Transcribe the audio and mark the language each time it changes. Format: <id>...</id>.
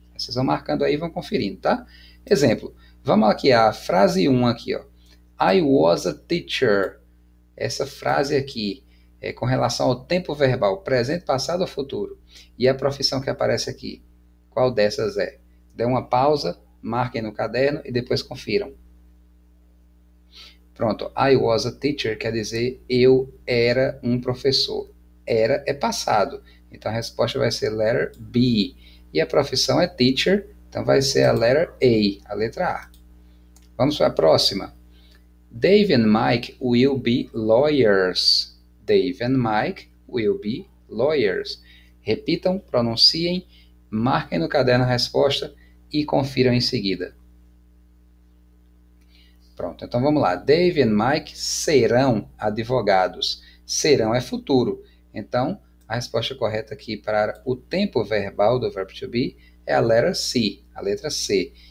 <pt>Vocês vão marcando aí e vão conferindo, tá? Exemplo, vamos aqui, a frase 1 aqui, ó.</pt> <en>I was a teacher.</en> <pt>Essa frase aqui é com relação ao tempo verbal, presente, passado ou futuro. E a profissão que aparece aqui, qual dessas é? Dê uma pausa, marquem no caderno e depois confiram. Pronto,</pt> <en>I was a teacher</en> <pt>quer dizer eu era um professor. Era é passado. Então a resposta vai ser</pt> <en>letter B.</en> <pt>E a profissão é teacher, então vai ser a</pt> <en>letter A,</en> <pt>a letra A. Vamos para a próxima.</pt> <en>Dave and Mike will be lawyers. Dave and Mike will be lawyers.</en> <pt>Repitam, pronunciem, marquem no caderno a resposta e confiram em seguida. Pronto, então vamos lá. Dave e Mike serão advogados. Serão é futuro. Então, a resposta correta aqui para o tempo verbal do verbo to be é a letra C, a letra C.</pt>